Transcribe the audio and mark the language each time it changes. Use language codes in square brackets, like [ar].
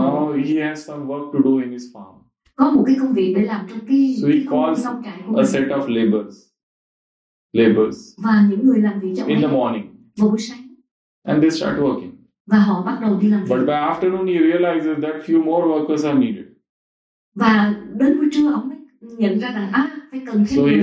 [en] Now he has some work to do in his farm. [vi] Có một cái công việc để làm trong cái nông trại của mình. [en] So he calls a set of laborers. [vi] Và những người làm việc trong [en] in the morning. [vi] Vào buổi sáng. [en] And they start working. [vi] Và họ bắt đầu đi làm việc. [en] But by afternoon he realizes that few more workers are needed. [vi] Và đến buổi trưa ông mới nhận ra rằng phải cần thêm người lao động.